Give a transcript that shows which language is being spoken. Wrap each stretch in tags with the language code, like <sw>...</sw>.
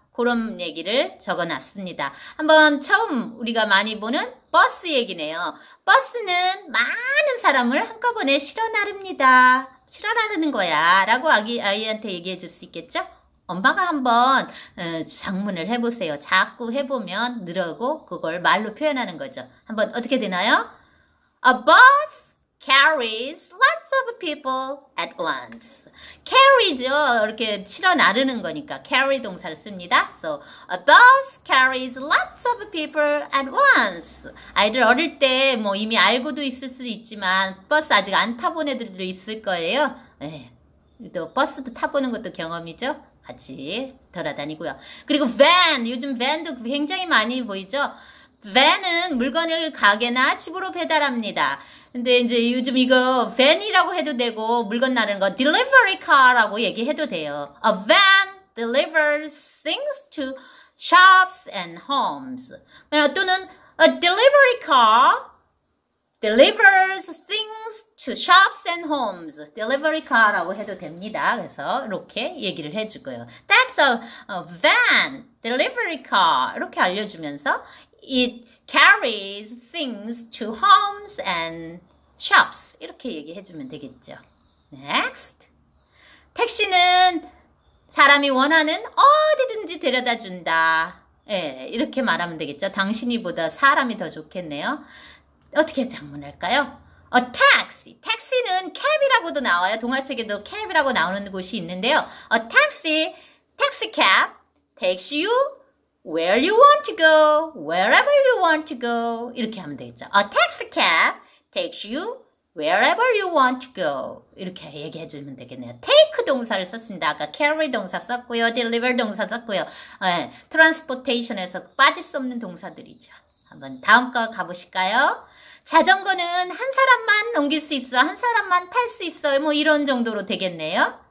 <ko>그런 얘기를 적어 놨습니다. 한번 처음 우리가 많이 보는 버스 얘기네요. 버스는 많은 사람을 한꺼번에 실어 나릅니다. 실어 나르는 거야. 라고 아이한테 얘기해 줄수 있겠죠? 엄마가 한번 장문을 해보세요. 자꾸 해보면 늘어고 그걸 말로 표현하는 거죠. 한번 어떻게 되나요?</ko> <en>A bus carries lots of people at once.</en> <ko>Carry죠. 이렇게 실어 나르는 거니까 carry 동사를 씁니다.</ko> <en>So a bus carries lots of people at once.</en> <ko>아이들 어릴 때뭐 이미 알고도 있을 수 있지만 버스 아직 안 타본 애들도 있을 거예요. 네. 또 버스도 타보는 것도 경험이죠. 같이 돌아다니고요. 그리고 van, 요즘 van도 굉장히 많이 보이죠? van은 물건을 가게나 집으로 배달합니다. 근데 이제 요즘 이거 van이라고 해도 되고 물건 나르는 거 delivery car라고 얘기해도 돼요.</ko> <en>A van delivers things to shops and homes. 또는 a delivery car delivers things to shops and homes.</en> <ko>delivery car라고 해도 됩니다. 그래서 이렇게 얘기를 해주고요.</ko> <en>That's a van delivery car.</en> <ko>이렇게 알려주면서</ko> <en>It carries things to homes and shops.</en> <ko>이렇게 얘기해주면 되겠죠.</ko> <en>Next.</en> <ko>택시는 사람이 원하는 어디든지 데려다 준다. 예, 이렇게 말하면 되겠죠. 당신이보다 사람이 더 좋겠네요. 어떻게 장문할까요?</ko> <en>A taxi.</en> <ko>택시는 캡이라고도 나와요. 동화책에도 캡이라고 나오는 곳이 있는데요.</ko> <en>A taxi. Taxi cab takes you where you want to go, wherever you want to go.</en> <ko>이렇게 하면 되겠죠.</ko> <en>A taxi cab takes you wherever you want to go.</en> <ko>이렇게 얘기해 주면 되겠네요. take 동사를 썼습니다. 아까 carry 동사 썼고요. deliver 동사 썼고요. 네, transportation에서 빠질 수 없는 동사들이죠. 한번 다음 거 가보실까요? 자전거는 한 사람만 옮길 수 있어. 한 사람만 탈수 있어. 뭐 이런 정도로 되겠네요.</ko>